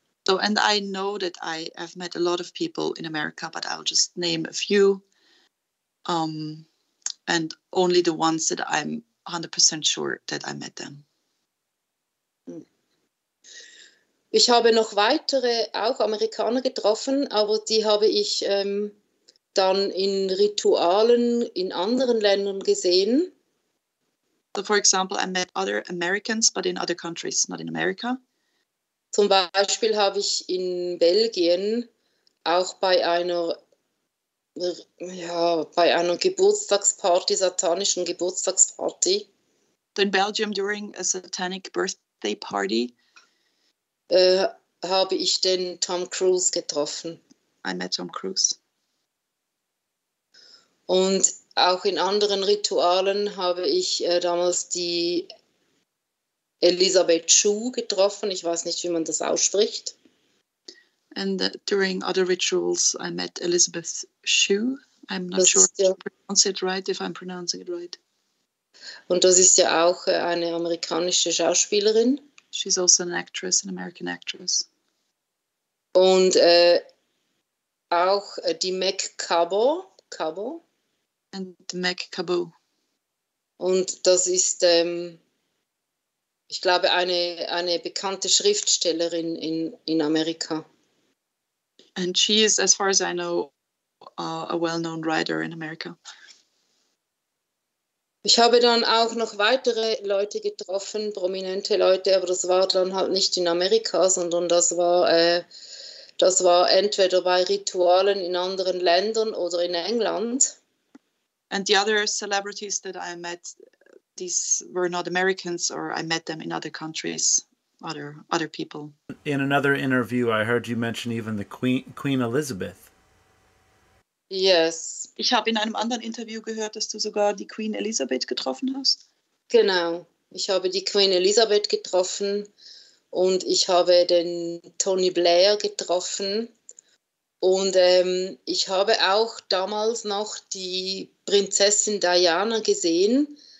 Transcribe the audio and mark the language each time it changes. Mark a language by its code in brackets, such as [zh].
[en] So, and I know that I have met a lot of people in America, but I'll just name a few. And only the ones that I'm 100% sure that I met them. [de] Ich habe noch weitere, auch Amerikaner getroffen, aber die habe ich dann in Ritualen in anderen Ländern gesehen. [en] So, for example, I met other Americans, but in other countries, not in America. [de] Zum Beispiel habe ich in Belgien auch bei einer, ja, bei einer Geburtstagsparty, satanischen Geburtstagsparty. [en] In Belgium during a satanic birthday party. [de] Habe ich den Tom Cruise getroffen. [en] I met Tom Cruise. [de] Und auch in anderen Ritualen habe ich damals die Elisabeth Chu getroffen. Ich weiß nicht, wie man das ausspricht. [en] And during other rituals, I met Elizabeth Chu. I'm not sure if I pronounce it right, if I'm pronouncing it right. [de] Und das ist ja auch eine amerikanische Schauspielerin. [en] She's also an actress, an American actress. [de] Und auch die Meg Cabot. [en] And Meg Cabot. [de] Und das ist, ich glaube, eine bekannte Schriftstellerin in Amerika. [en] And she is, as far as I know, a well-known writer in America. [de] Ich habe dann auch noch weitere Leute getroffen, prominente Leute, aber das war dann halt nicht in Amerika, sondern das war entweder bei Ritualen in anderen Ländern oder in England. [en] And the other celebrities that I met, these were not Americans, or I met them in other countries, other people. In another interview, I heard you mention even the Queen Elizabeth. Yes. [de] Ich habe in einem anderen Interview gehört, dass du sogar die Queen Elizabeth getroffen hast. Genau. Ich habe die Queen Elizabeth getroffen und ich habe den Tony Blair getroffen. Und ich habe auch damals noch die Prinzessin Diana gesehen.